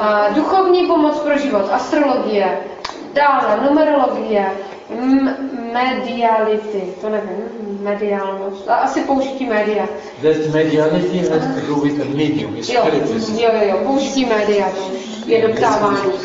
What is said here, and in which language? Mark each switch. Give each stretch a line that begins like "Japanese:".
Czech: Duchovní pomoc pro život, astrologie, dále numerologie, mediality, to nevím, mediálnost, asi použití média.
English: That mediality has to do with the medium, it's spiritism.
Czech: Jo, použití média, je doptávání.